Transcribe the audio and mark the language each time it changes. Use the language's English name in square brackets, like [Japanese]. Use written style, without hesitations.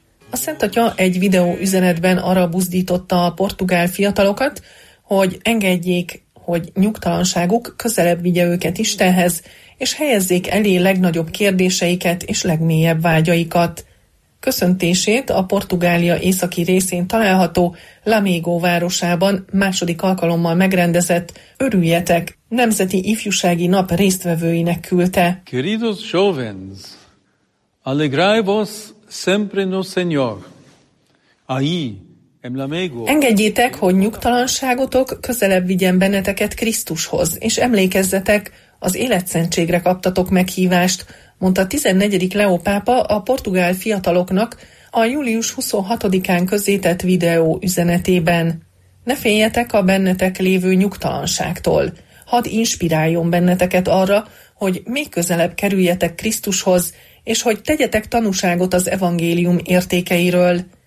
[Hungarian] A Szentatya egy videó üzenetben arra buzdította a portugál fiatalokat, hogy engedjék, hogy nyugtalanságuk közelebb vigye őket Istenhez, és helyezzék elé legnagyobb kérdéseiket és legmélyebb vágyaikat. Köszöntését a Portugália északi részén található Lamego városában második alkalommal megrendezett Örüljetek! Nemzeti Ifjúsági Nap résztvevőinek küldte. [Portuguese] Queridos jovens, alegrai-vos sempre no Senhor. Aí, em Lamego. [Hungarian] Engedjétek, hogy nyugtalanságotok közelebb vigyen benneteket Krisztushoz, és emlékezzetek, az életszentségre kaptatok meghívást, mondta 14. Leó pápa a portugál fiataloknak, a július 26-án közzétett videó üzenetében: ne féljetek a bennetek lévő nyugtalanságtól, hadd inspiráljon benneteket arra, hogy még közelebb kerüljetek Krisztushoz, és hogy tegyetek tanúságot az evangélium értékeiről.